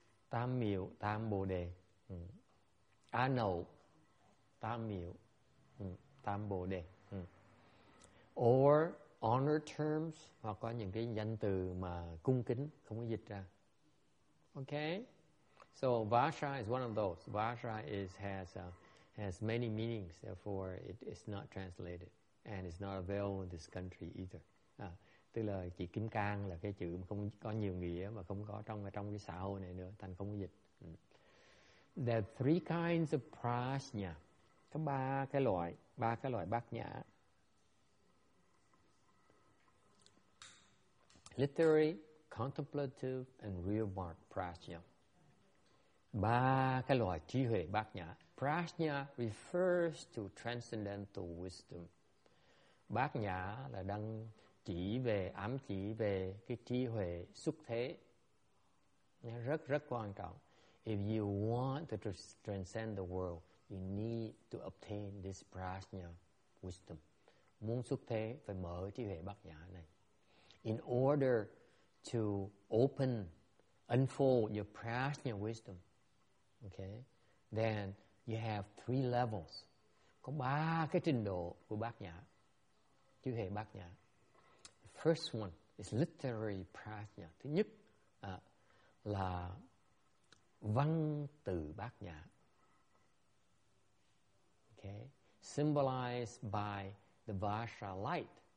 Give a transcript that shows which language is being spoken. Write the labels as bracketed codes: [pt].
[vi] Tam miệu tam bồ đề, Anau tam miệu tam bồ đề, [en] or honor terms, [vi] hoặc có những cái danh từ mà cung kính, không có dịch ra. [en] Okay? So, Vajra is one of those. Vajra has many meanings, therefore it is not translated. And it's not available in this country either. [vi] Tức là chỉ kim cang là cái chữ không có nhiều nghĩa mà không có trong cái xã hội này nữa, thành không có dịch. [en] There are three kinds of prajna. [vi] Có ba cái loại bát nhã. [en] Literary, contemplative, and real mark, prajna. [vi] Ba cái loại trí huệ bát nhã. [en] Prajna refers to transcendental wisdom. [vi] Bát nhã là đang ám chỉ về cái trí huệ xuất thế. Rất rất quan trọng. [en] If you want to transcend the world, you need to obtain this prajna wisdom. [vi] Muốn xuất thế, phải mở trí huệ bát nhã này. [en] In order to open unfold your prajna wisdom, okay, then you have three levels. [vi] Có ba cái trình độ của bát nhã, chư hệ bát nhã. [en] The first one is literary prajna. [vi] Thứ nhất là văn từ bát nhã, [en] okay, symbolized by the Vajra light.